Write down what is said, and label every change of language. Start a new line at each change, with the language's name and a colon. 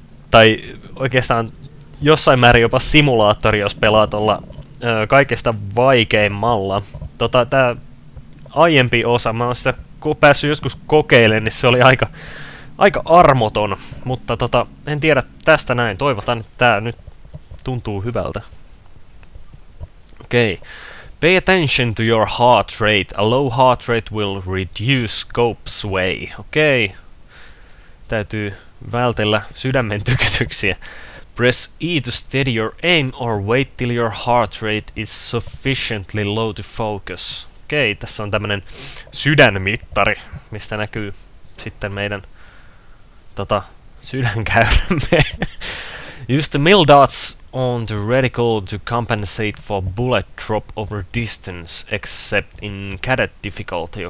Finnish: Tai oikeastaan jossain määrin jopa simulaattori, jos pelaa tuolla kaikesta vaikeimmalla. Tää aiempi osa, mä oon sitä päässyt joskus kokeilemaan, niin se oli aika armoton, mutta en tiedä tästä näin. Toivotan, että tää nyt tuntuu hyvältä. Okei. Okay.
English: Pay attention to your heart rate. A low heart rate will reduce scope sway.
Finnish: Okei. Okay. Täytyy vältellä sydämen tykytyksiä.
English: Press E to steady your aim or wait till your heart rate is sufficiently low to focus.
Finnish: Okei, okay. Tässä on tämmönen sydänmittari, mistä näkyy sitten meidän sydänkäyrämme.
English: Use the mill dots on the reticle to compensate for bullet drop over distance, except in cadet difficulty.